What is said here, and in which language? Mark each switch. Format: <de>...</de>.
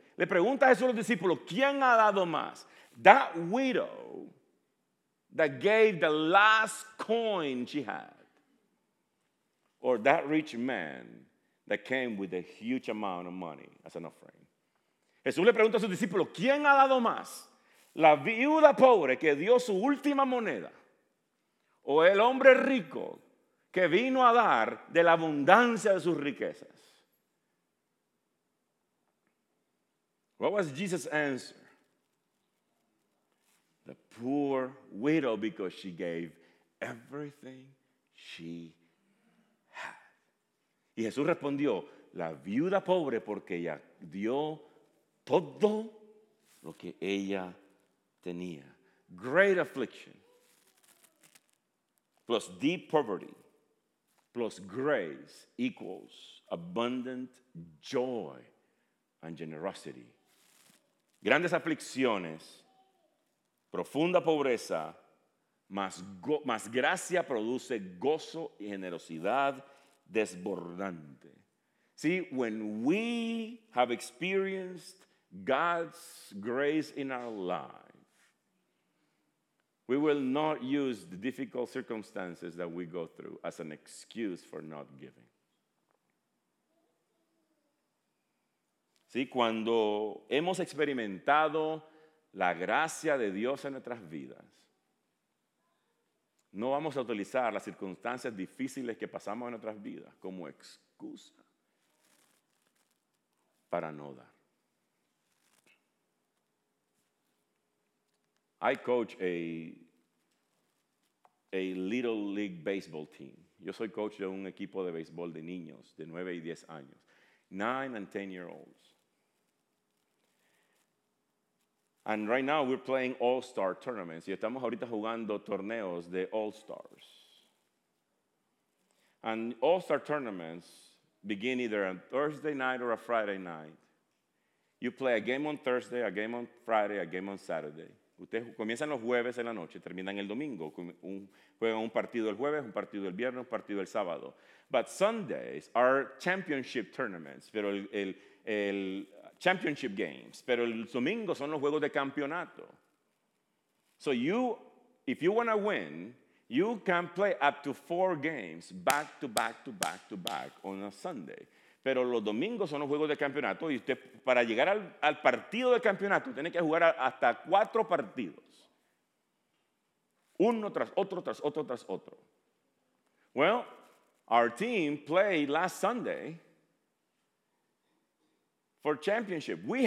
<es>Le pregunta a Jesús a los discípulos, ¿quién ha dado más?</es> <en>That widow that gave the last coin she had. Or that rich man that came with a huge amount of money as an offering.</en> <es>Jesús le pregunta a sus discípulos, ¿quién ha dado más? ¿La viuda pobre que dio su última moneda? ¿O el hombre rico que vino a dar de la abundancia de sus riquezas?</es> <en>What was Jesus' answer? The poor widow, because she gave everything she had.</en> <es>Y Jesús respondió, la viuda pobre porque ella dio todo lo que ella tenía.</es> <en>Great affliction plus deep poverty plus grace equals abundant joy and generosity.</en> <es>Grandes aflicciones profunda pobreza, más gracia produce gozo y generosidad desbordante.</es> <en>See, when we have experienced God's grace in our life, we will not use the difficult circumstances that we go through as an excuse for not giving.</en> <es>See, cuando hemos experimentado la gracia de Dios en nuestras vidas, no vamos a utilizar las circunstancias difíciles que pasamos en nuestras vidas como excusa para no dar.</es> <en>I coach a little league baseball team.</en> <es>Yo soy coach de un equipo de béisbol de niños de 9 y 10 años.</es> <en>9 and 10 year olds. And right now we're playing all-star tournaments.</en> <es>Y estamos ahorita jugando torneos de all-stars.</es> <en>And all-star tournaments begin either on Thursday night or a Friday night. You play a game on Thursday, a game on Friday, a game on Saturday.</en> <es>Ustedes comienzan los jueves en la noche, terminan el domingo. Juegan un partido el jueves, un partido el viernes, un partido el sábado.</es> <en>But Sundays are championship tournaments.</en> <es>Pero el</es> <en>championship games.</en> <es>Pero el domingo son los juegos de campeonato.</es> <en>So you, if you want to win, you can play up to 4 games back to back to back to back on a Sunday.</en> <es>Pero los domingos son los juegos de campeonato y usted, para llegar al partido de campeonato, tiene que jugar hasta 4 partidos. Uno tras otro, tras otro, tras otro.</es> <en>Well, our team played last Sunday for championship.</en>